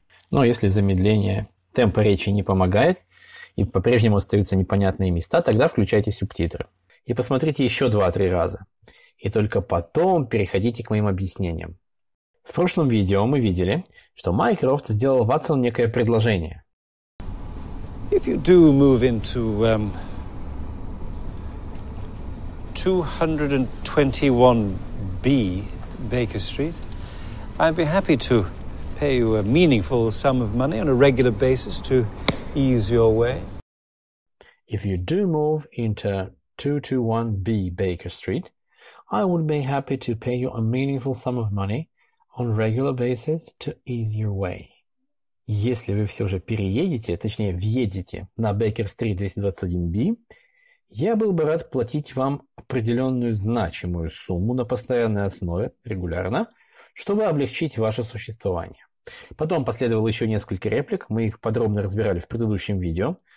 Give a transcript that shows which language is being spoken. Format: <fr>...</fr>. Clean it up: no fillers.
<ru>Но если замедление темпа речи не помогает, и по-прежнему остаются непонятные места, тогда включайте субтитры. И посмотрите еще 2-3 раза. И только потом переходите к моим объяснениям. В прошлом видео мы видели, что Майкрофт сделал Ватсону некое предложение.</ru> <en>If you do move into 221B Baker Street, I'd be happy to pay you a meaningful sum of money on a regular basis to ease your way. If you do move into 221B Baker Street, I would be happy to pay you a meaningful sum of money on a regular basis to ease your way.</en> <ru>Если вы все же переедете, точнее, въедете на Бейкер-стрит 221B, я был бы рад платить вам определенную значимую сумму на постоянной основе, регулярно, чтобы облегчить ваше существование. Потом последовало еще несколько реплик, мы их подробно разбирали в предыдущем видео.</ru>